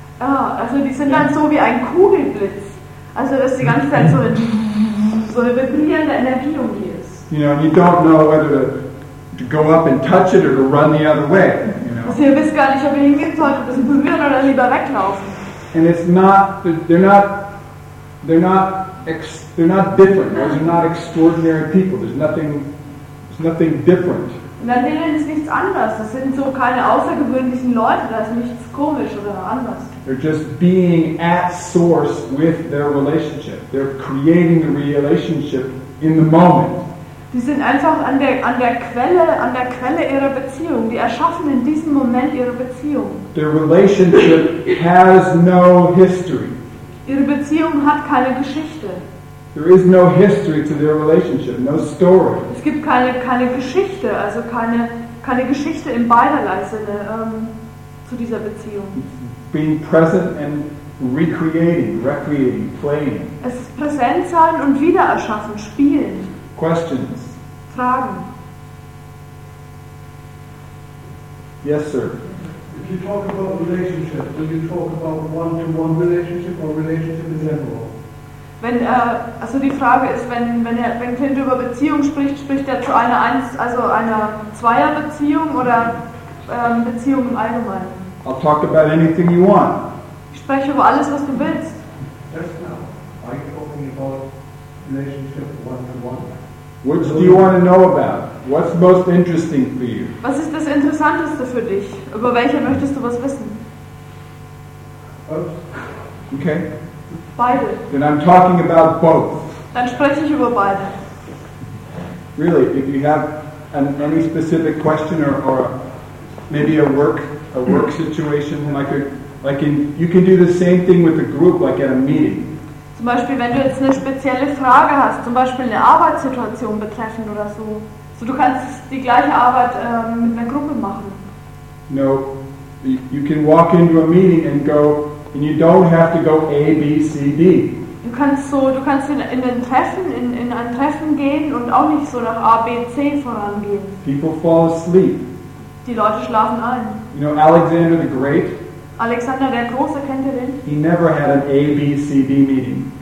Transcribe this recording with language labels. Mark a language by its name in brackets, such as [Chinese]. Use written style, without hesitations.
[German] Ah, also die sind dann so wie ein Kugelblitz. Also dass die ganze Zeit so eine vibrierende Energie um die ist. [English] You know, you don't know whether to go up and touch it or to run the other way. [German] Also ihr wisst gar nicht, ob ihr hingehen solltet, das berühren oder lieber weglaufen. [English] And it's not, they're not different. Those are not extraordinary people. There's nothing different. [German] Und an denen ist nichts anders. Das sind so keine außergewöhnlichen Leute. Da ist nichts komisch oder anders. [English] They're just being at source with their relationship. They're creating the relationship in the moment. [German] Die sind einfach an der Quelle ihrer Beziehung. Die erschaffen in diesem Moment ihre Beziehung. [English] Their relationship has no history. [German] Ihre Beziehung hat keine Geschichte. [English] There is no history to their relationship, no story. [German] Es gibt keine Geschichte, also keine Geschichte im beiderlei Sinne zu dieser Beziehung. [English] Being present and recreating, playing. [German] Es ist präsent sein und wieder erschaffen, spielen. [English] Questions. [German] Fragen. [English] Yes, sir. If you talk about relationship, do you talk about one-to-one relationship or relationship in general? [German] Also die Frage ist, wenn Clint über Beziehung spricht, spricht er zu einer Zweierbeziehung oder Beziehung im Allgemeinen? [English] I'll talk about anything you want. [German] Ich spreche über alles, was du willst. [English] Just now, are you talking about relationship one-to-one? Which do you want to know about? What's most interesting for you? [German] Was ist das Interessanteste für dich? Über welche möchtest du was wissen? Okay. Beide. [English] Then I'm talking about both. [German] Dann spreche ich über beide. [English] Really, if you have any specific question or maybe a work situation, you can do the same thing with a group, like at a meeting. [German] Zum Beispiel, wenn du jetzt eine spezielle Frage hast, zum Beispiel eine Arbeitssituation betreffend oder so. So du kannst die gleiche Arbeit mit einer Gruppe machen. [English] No, you can walk into a meeting and go, and you don't have to go A, B, C, D. [German] Du kannst in ein Treffen gehen und auch nicht so nach A, B, C vorangehen. [English] People fall asleep. [German] Die Leute schlafen ein. [English] You know, Alexander the Great. [German] Alexander der Große, kennt ihr den? [English] He never had an A, B, C, D meeting.